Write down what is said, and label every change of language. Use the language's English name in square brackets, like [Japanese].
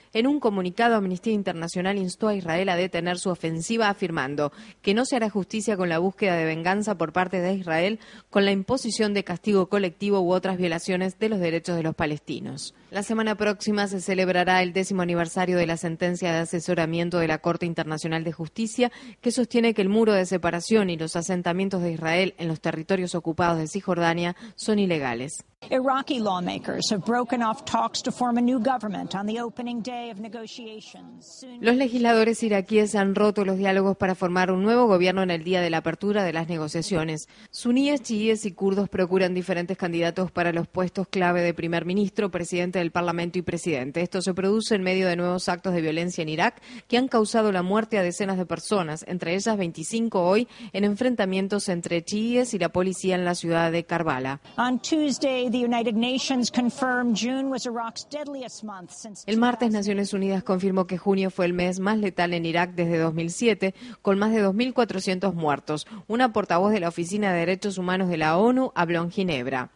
[Spanish] En un comunicado, Amnistía Internacional instó a Israel a detener su ofensiva, afirmando que no se hará justicia con la búsqueda de venganza por parte de Israel con la imposición de castigo colectivo u otras violaciones de los derechos de los palestinos. La semana próxima se celebrará el 10º aniversario de la sentencia de asesoramiento de la Corte Internacional de Justicia, que sostiene que el muro de separación y los asentamientos de Israel en los territorios ocupados de Cisjordania son ilegales. [English] Iraqi lawmakers have broken off talks to form a new government on the opening day of negotiations. [Spanish] Los legisladores iraquíes han roto los diálogos para formar un nuevo gobierno en el día de la apertura de las negociaciones. Suníes, chiíes y kurdos procuran diferentes candidatos para los puestos clave de primer ministro, presidente del parlamento y presidente. Esto se produce en medio de nuevos actos de violencia en Irak que han causado la muerte a decenas de personas, entre ellas 25 hoy, en enfrentamientos entre chiíes y la policía en la ciudad de Karbala. [English] On Tuesday, the United Nations confirmed June was Iraq's deadliest month since. [Spanish] El martes, Naciones Unidas confirmó que junio fue el mes más letal en Irak desde 2007, con más de 2.400 muertos. Una portavoz de la Oficina de Derechos Humanos de la ONU habló en Ginebra.